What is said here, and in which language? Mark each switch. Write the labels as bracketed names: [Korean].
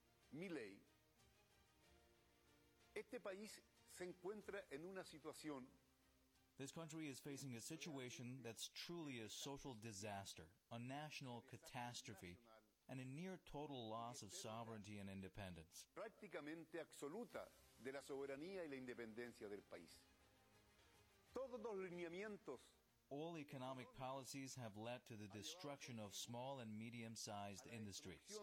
[Spanish] Milei, este país se encuentra en una situación. [English] This country is facing a situation that's truly a social disaster, a national catastrophe, and a near total loss of sovereignty and independence. [Spanish] Prácticamente absoluta de la soberanía y la independencia del país. [English] All economic policies have led to the destruction of small and medium-sized industries.